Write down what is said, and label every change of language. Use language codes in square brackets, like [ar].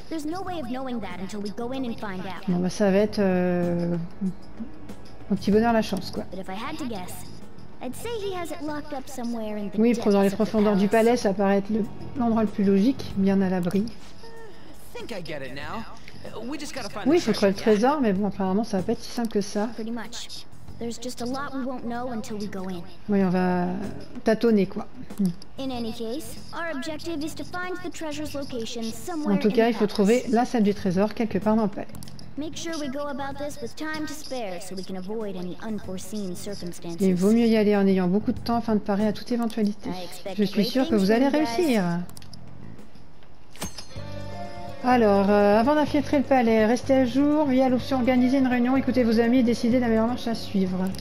[en] There's no way of knowing that until we go in and find out. [fr] Bon bah ça va être un petit bonheur la chance quoi. [en] But if I had to guess, I'd say he has it locked up somewhere in the. [fr] Oui, dans les profondeurs du palais, ça paraît être l'endroit le plus logique, bien à l'abri. [en] Think I get it now. We just gotta find [fr] oui, il faut trouver le trésor, mais bon apparemment ça va pas être si simple que ça. [en] Pretty much. There's just a lot we won't know until we go in. [fr] Oui, on va tâtonner quoi. [en] In any case, our objective is to find the treasure's location somewhere. [fr] En tout cas, il faut trouver la salle du trésor quelque part dans le palais. [en] Make sure we go about this with time to spare so we can avoid any unforeseen circumstances. [fr] Il vaut mieux y aller en ayant beaucoup de temps afin de parer à toute éventualité. Je suis sûr que vous allez réussir. Alors, avant d'infiltrer le palais, restez à jour via l'option organiser une réunion, écoutez vos amis et décidez de la meilleure marche à suivre.